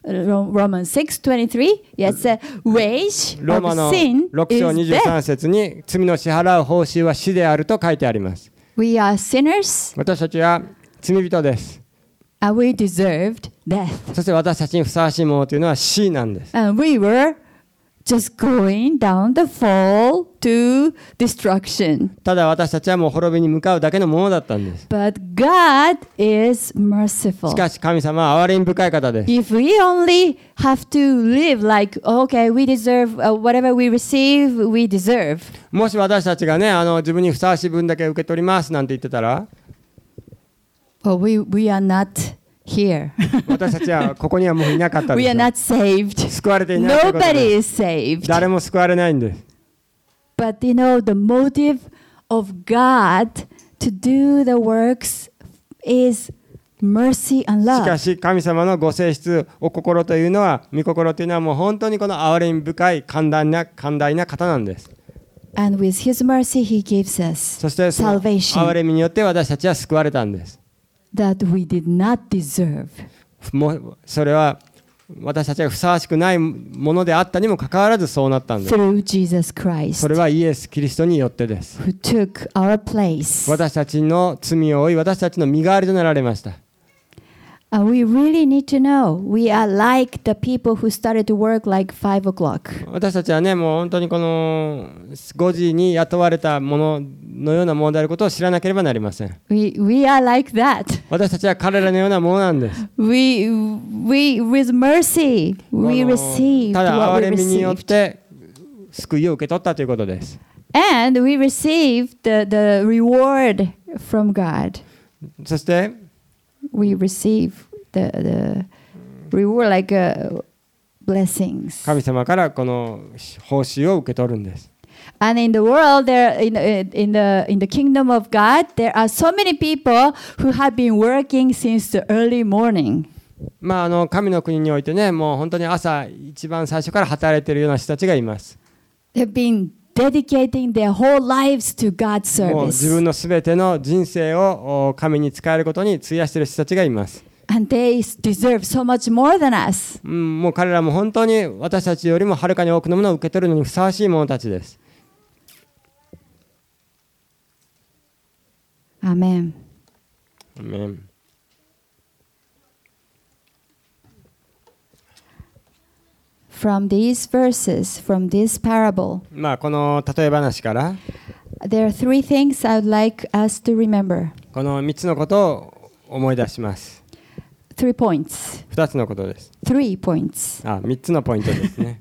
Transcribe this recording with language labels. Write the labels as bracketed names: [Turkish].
[English] Romans 6:23? Yes, wage of sin is death. [Japanese] ローマの6章23節に罪の支払う報酬は死であると書いてあります。 [English] We are sinners. [Japanese] 私たちは罪人です。 [English] And we deserved death. [Japanese] そして私たちにふさわしいものというのは死なんです。 [English] And we were just going down the fall to destruction. [Japanese] ただ私たちはもう滅びに向かうだけのものだったんです。 [English] But God is merciful. [Japanese] しかし神様は憐れみ深い方です。 [English] If we only have to live like, okay, we deserve whatever we receive, we deserve. [Japanese] もし私たちがね、自分にふさわしい分だけ受け取りますなんて言ってたら、 [English] Well, we are not here. [Japanese] 私たちはここにはもういなかったんです。 [English] We are not saved. [Japanese] 救われていないということです。 [English] Nobody is saved. [Japanese] 誰も救われないんです。 [English] But you know, the motive of God to do the works is mercy and love. [Japanese] しかし神様のご性質、お心というのは、御心というのはもう本当にこの憐れみ深い、寛大な方なんです。 [English] And with his mercy, he gives us salvation. [Japanese] そしてその憐れみによって私たちは救われたんです。 [English] That we did not deserve. [Japanese] それは私たちがふさわしくないものであったにもかかわらずそうなったんです。 [English] Through Jesus Christ. [Japanese] それはイエス・キリストによってです。 [English] Who took our place. [Japanese] 私たちの罪を負い、私たちの身代わりとなられました。 [English] And we really need to know. We are like the people who started to work like 5 o'clock. [Japanese] 私たちはね、もう本当にこの5時に雇われたもののようなものであることを知らなければなりません。 [English] We are like that. [Japanese] 私たちは彼らのようなものなんです。 [English] We with mercy we received what we received. [Japanese] ただ憐れみによって救いを受け取ったということです。 [English] And we received the reward from God. [Japanese] そして。 [English] We receive the reward like blessings. [Japanese] 神様からこの報酬を受け取るんです。 [English] And in the world, there in the kingdom of God, there are so many people who have been working since the early morning. [Japanese] まあ神の国においてね、もう本当に朝一番最初から働いているような人たちがいます。 [English] They've been dedicating their whole lives to God's service. [Japanese] もう自分のすべての人生を神に使えることに費やしている人たちがいます。 [English] And they deserve so much more than us. [Japanese] もう彼らも本当に私たちよりもはるかに多くのものを受け取るのにふさわしい者たちです。アメン。アメン。 [English] From these verses, from this parable, [Japanese] まあこの例え話から、 [English] there are three things I would like us to remember. [Japanese] この三つのことを思い出します。 [English] Three points. [Japanese] 二つのことです。 [English] Three points. [Japanese] あ、三つのポイントですね。